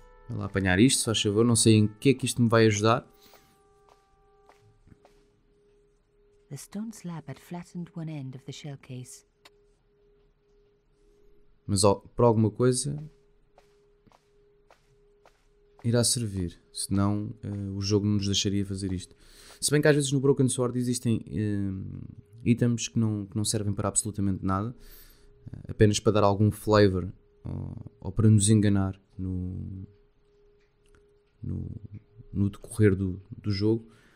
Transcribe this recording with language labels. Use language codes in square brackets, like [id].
[pt] Lá apanhar isto, se faz favor, não sei em que é que isto me vai ajudar. [en] The stone slab had flattened one end of the shell case. [pt] Mas ó, para alguma coisa irá servir, senão o jogo não nos deixaria fazer isto. Se bem que às vezes no Broken Sword existem itens que não servem para absolutamente nada, apenas para dar algum flavor ou para nos enganar no decorrer do jogo.